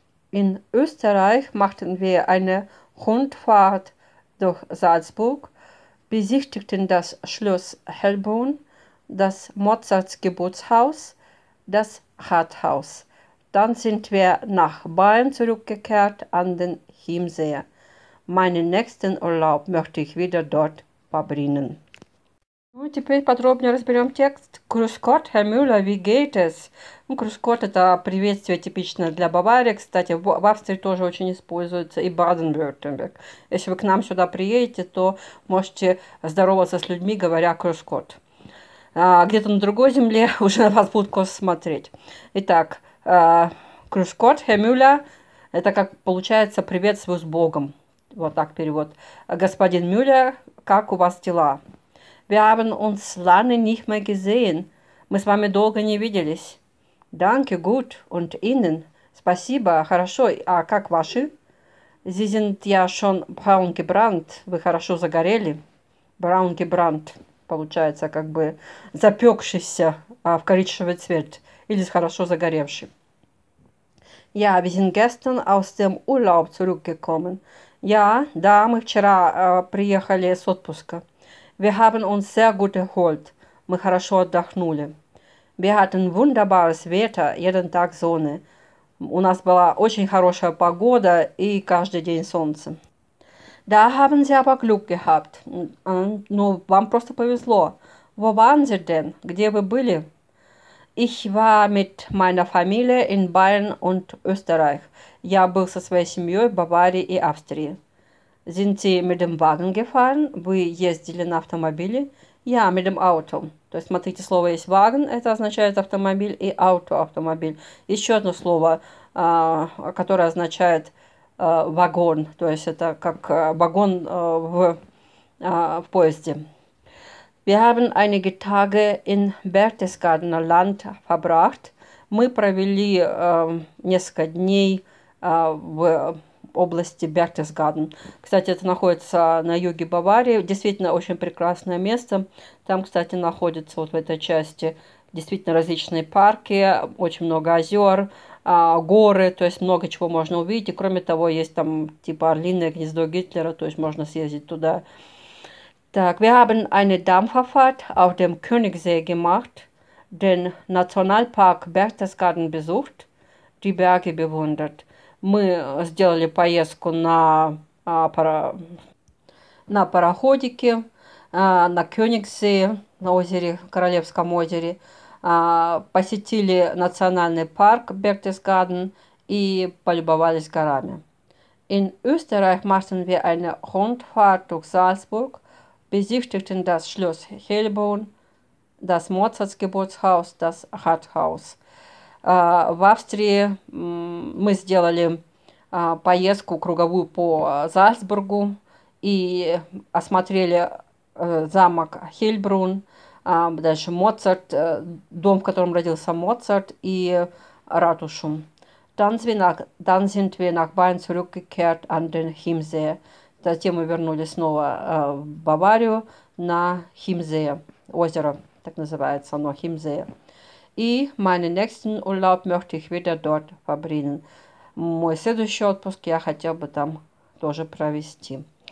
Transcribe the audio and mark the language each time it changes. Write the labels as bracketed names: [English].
[German] In Österreich machten wir eine Rundfahrt durch Salzburg, besichtigten das Schloss Hellbrunn, das Mozarts Geburtshaus, das Rathaus. Dann sind wir nach Bayern zurückgekehrt an den Chiemsee. Meinen nächsten Urlaub möchte ich wieder dort verbringen. [Russian] Ну, теперь подробнее разберем текст. [German] Grüß Gott, Herr Müller, wie geht es? [Russian] Ну, [German] Grüß Gott [Russian] – это приветствие, типичное для Баварии. Кстати, в Австрии тоже очень используется, и Баден-Вюртемберг. Если вы к нам сюда приедете, то можете здороваться с людьми, говоря [German] «Grüß Gott». [Russian] А где-то на другой земле уже на вас будут косо смотреть. Итак, [German] «Grüß Gott, Herr Müller» [Russian] – это как получается «Приветствую с Богом». Вот так перевод. «Господин Мюллер, как у вас дела?» [German] Wir haben uns lange nicht mehr gesehen. [Russian] Мы с вами долго не виделись. [German] Danke, gut. Und Ihnen? [Russian] Спасибо, хорошо. А как ваши? [German] Sie sind ja schon braun gebrannt. [Russian] Вы хорошо загорели. [German] Braun gebrannt. [Russian] Получается, как бы запекшийся в коричневый цвет. Или хорошо загоревший. [German] Ja, wir sind gestern aus dem Urlaub zurückgekommen. [Russian] Ja, да, мы вчера приехали с отпуска. [German] Wir haben uns sehr gut erholt. [Russian] Мы хорошо отдохнули. [German] Wir hatten wunderbares Wetter, jeden Tag Sonne. [Russian] У нас была очень хорошая погода и каждый день солнце. [German] Da haben Sie aber Glück gehabt. [Russian] Ну, вам просто повезло. [German] Wo waren Sie denn? [Russian] Где вы были? [German] Ich war mit meiner Familie in Bayern und Österreich. [Russian] Я был со своей семьей в Баварии и Австрии. [German] Sind Sie mit dem Wagen gefahren? [Russian] Вы ездили на автомобиле? [German] Ja, mit dem Auto. [Russian] То есть, смотрите, слово есть Wagen, это означает автомобиль, и Auto, автомобиль. Еще одно слово, которое означает вагон, то есть это как вагон в поезде. Wir haben einige Tage in Berchtesgadener Land verbracht. Мы провели несколько дней в области Берхтесгаден. Кстати, это находится на юге Баварии. Действительно, очень прекрасное место. Там, кстати, находятся вот в этой части действительно различные парки, очень много озер, горы, то есть много чего можно увидеть. И, кроме того, есть там типа Орлиное гнездо Гитлера, то есть можно съездить туда. [German] Так, wir haben eine Dampferfahrt auf dem Königssee gemacht, den Nationalpark Berchtesgaden besucht, die Berge bewundert. [Russian] Мы сделали поездку на пароходике, на Кёнигсе, на озере, Королевском озере. Посетили национальный парк Берхтесгаден и полюбовались горами. [German] In Österreich machten wir eine Rundfahrt durch Salzburg, besichtigten das Schloss Hellbrunn, das Mozarts Geburtshaus, das Rathaus. [Russian] В Австрии мы сделали поездку круговую по Зальцбургу и осмотрели замок Хельбрун, дальше Моцарт, дом, в котором родился Моцарт, и ратушу. [German] Dann sind wir nach Bayern zurückgekehrt an den Chiemsee. [Russian] Затем мы вернулись снова в Баварию на Химзе, озеро так называется, но Химзе. И [German] meinen nächsten Urlaub möchte ich wieder dort verbringen. [Russian] Мой следующий отпуск я хотел бы там тоже провести.